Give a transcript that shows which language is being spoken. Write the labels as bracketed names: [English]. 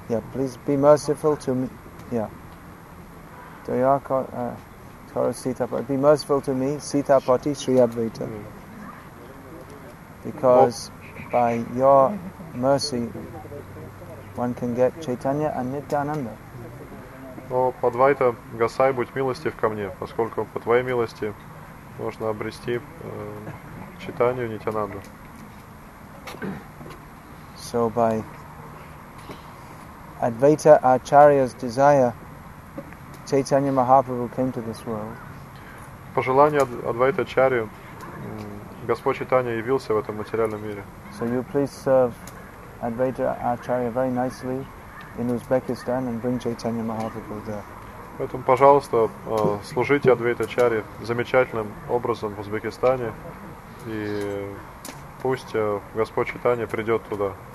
[English] Yeah, please be merciful to me. Yeah. Doya Koro be merciful to me, Sita Pati Sri Advaita. Because by your mercy one can get Chaitanya and Nityananda. [Russian] О, Адвайта Гасай, будь милостив ко мне, поскольку по твоей милости можно обрести Чайтанью Нитянанду. [English] So by Advaita Acharya's desire, Chaitanya Mahaprabhu came to this world. [Russian] По желанию Адвайта Ачарьи Господь Чайтанья явился в этом материальном мире. [English] So you please serve Advaita Acharya very nicely in Uzbekistan and bring Chaitanya Mahaprabhu there. [Russian] Поэтому, пожалуйста, служите Адвайта Ачарьи замечательным образом в Узбекистане, и пусть Господь Чайтанья придет туда.